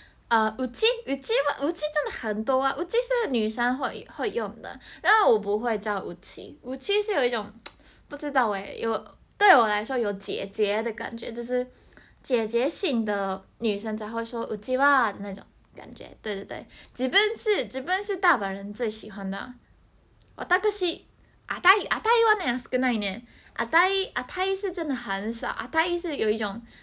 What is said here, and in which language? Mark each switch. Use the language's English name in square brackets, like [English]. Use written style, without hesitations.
[Chinese] うち真的很多啊。うち是女生会用的，但我不会叫うち。うち是有一种不知道哎，有对我来说有姐姐的感觉，就是姐姐型的女生才会说うちは的那种感觉。对对对，自分是大阪人最喜欢的。 [Japanese] 私あたいはね少ないね。 [Chinese] あたい是真的很少。あたい是有一种